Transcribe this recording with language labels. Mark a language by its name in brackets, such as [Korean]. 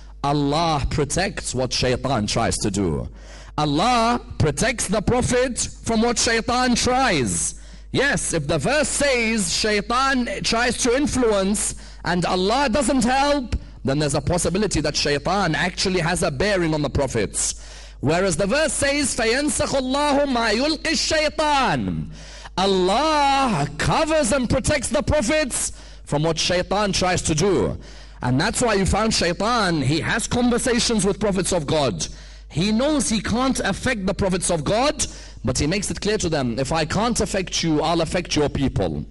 [English] Allah protects what shaitan tries to do. Allah protects the Prophet from what shaitan tries. Yes, if the verse says shaitan tries to influence and Allah doesn't help, then there's a possibility that shaitan actually has a bearing on the Prophet. Whereas the verse says, [Arabic] فَيَنْسَخُ اللَّهُ مَا يُلْقِي الشَّيْطَانِ. [English] Allah covers and protects the prophets from what shaitan tries to do. And that's why you found shaitan, he has conversations with prophets of God. He knows he can't affect the prophets of God, but he makes it clear to them, if I can't affect you, I'll affect your people.